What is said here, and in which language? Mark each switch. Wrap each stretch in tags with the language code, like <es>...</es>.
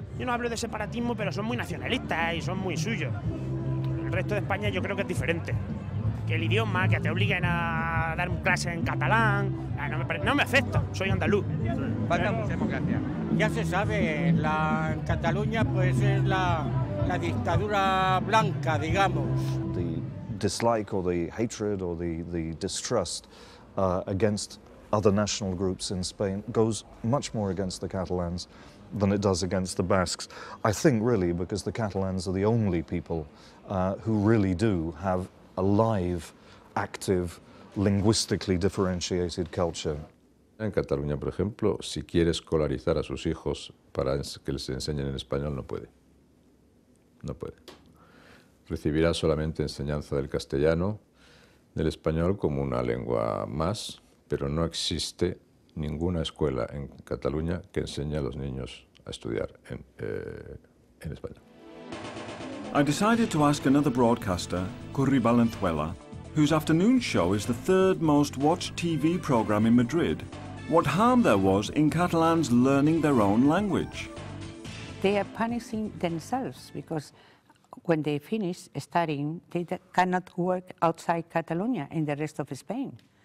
<es>Yo no hablo de separatismo, pero son muy nacionalistas y son muy suyos. El resto de España yo creo que es diferente. Que el idioma, que te obliguen a dar clases en catalán, no me afecta, soy andaluz. Falta mucha democracia. Ya se sabe, en Cataluña pues es la dictadura blanca, digamos.</es> <en>The dislike or the hatred or the distrust against other national groups in Spain goes much more against the Catalans than it does against the Basques. I think really because the Catalans are the only people who really do have a live, active, linguistically differentiated culture.</en> <es>En Cataluña, por ejemplo, si quiere escolarizar a sus hijos para que les enseñen en español, no puede. No puede. Recibirá solamente enseñanza del castellano, del español como una lengua más, pero no existe ninguna escuela en Cataluña que enseñe a los niños a estudiar en español.</es> <en>I decided to ask another broadcaster, Curri Valenzuela, whose afternoon show is the third most watched TV program in Madrid, what harm there was in Catalans learning their own language. They are punishing themselves because when they finish studying, they cannot work outside Catalonia in the rest of Spain.</en>